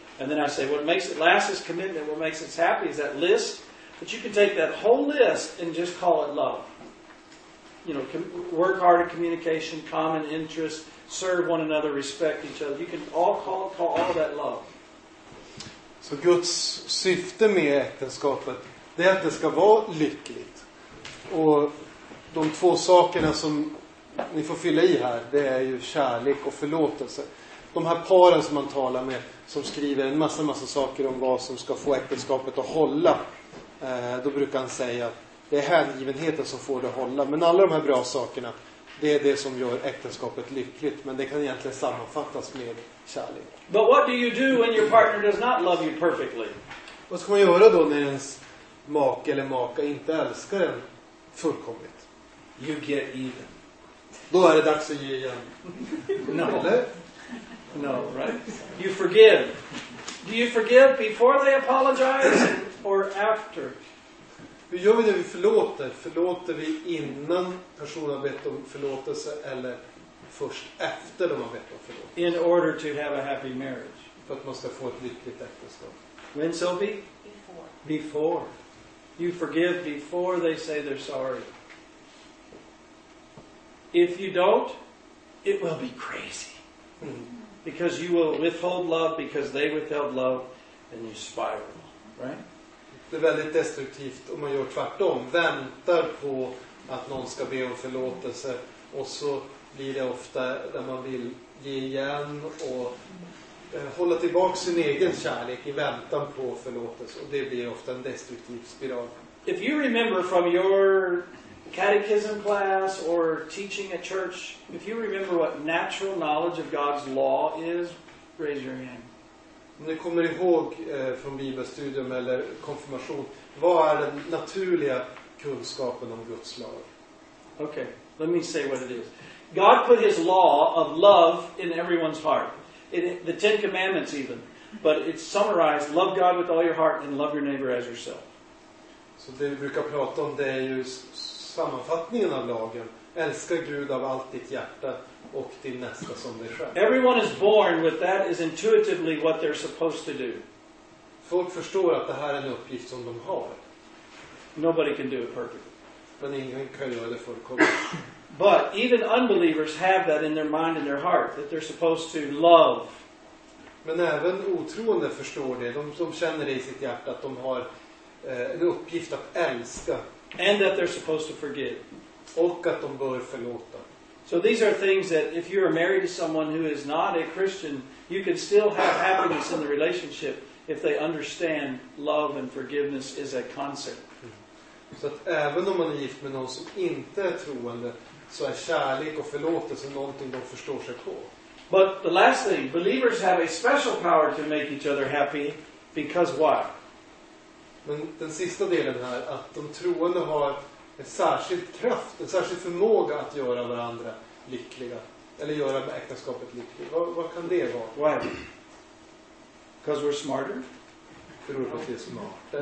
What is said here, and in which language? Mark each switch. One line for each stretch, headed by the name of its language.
English: And then I say, what makes it last is commitment. What makes us happy is that list. But you can take that whole list and just call it love. You know, work hard at communication, common interests, serve one another, respect each other. You can all call all of that love.
Swedish: Så Guds syfte med äktenskapet, det är att det ska vara lyckligt. Och de två sakerna som ni får fylla i här, det är ju kärlek och förlåtelse. De här paren som man talar med, som skriver en massa saker om vad som ska få äktenskapet att hålla. Då brukar han säga att det är hängivenheten som får det att hålla. Men alla de här bra sakerna, det är det som gör äktenskapet lyckligt. Men det kan egentligen sammanfattas med kärlek.
English: But what do you do when your partner does not love you perfectly?
Swedish: Vad ska man göra då när ens make eller maka inte älskar en fullkomligt?
English: You get even.
Swedish: Då är det dags att ge igen.
English: No.
Swedish: Eller?
English: No, right? You forgive. Do you forgive before they apologize or after?
Swedish: Hur gör vi när vi förlåter? Förlåter vi innan personen har bett om förlåtelse eller först efter de har bett om förlåtelse.
English: In order to have a happy marriage.
Swedish: För att man ska få ett lyckligt äktenskap.
English: When, Sophie? Before. Before. You forgive before they say they're sorry. If you don't, it will be crazy. Mm-hmm. Because you will withhold love because they withheld love and you spiral. Right?
Swedish: Det är väldigt destruktivt om man gör tvärtom. Väntar på att någon ska be om förlåtelse. Och så blir det ofta där man vill ge igen och hålla tillbaka sin egen kärlek i väntan på förlåtelse. Och det blir ofta en destruktiv spiral.
English: If you remember from your catechism class or teaching at church, if you remember what natural knowledge of God's law is, raise your hand.
Swedish: Om ni kommer ihåg från bibelstudium eller konfirmation, vad är den naturliga kunskapen om Guds lag?
English: Okay, let me say what it is. God put his law of love in everyone's heart. The Ten Commandments even. But it's summarized, love God with all your heart and love your neighbor as yourself.
Swedish: Så det vi brukar prata om, det är ju sammanfattningen av lagen. Älska Gud av allt ditt hjärta. Och din nästa som dig själv.
English: Everyone is born with that is intuitively what they're supposed to do.
Swedish: Folk förstår att det här är en uppgift som de har.
English: Nobody can do it perfectly.
Swedish: Men ingen kan göra det fullkomligt.
English: But even unbelievers have that in their mind and their heart that they're supposed to love.
Swedish: Men även otroende förstår det. De som känner det i sitt hjärta att de har en uppgift att älska.
English: And that they're supposed to forgive.
Swedish: Och att de bör förlåta.
English: So these are things that if you are married to someone who is not a Christian, you can still have happiness in the relationship if they understand love and forgiveness is a concept.
Swedish: Så att även om man är gift med någon som inte är troende, så är kärlek och förlåtelse någonting de förstår sig på.
English: But the last thing, believers have a special power to make each other happy, because why?
Swedish: Men den sista delen här, att de troende har en särskild kraft, en särskild förmåga att göra varandra lyckliga. Eller göra äktenskapet lyckligt. Vad kan det vara?
English: Why? Because we're smarter?
Swedish: Beror på att vi är smarta.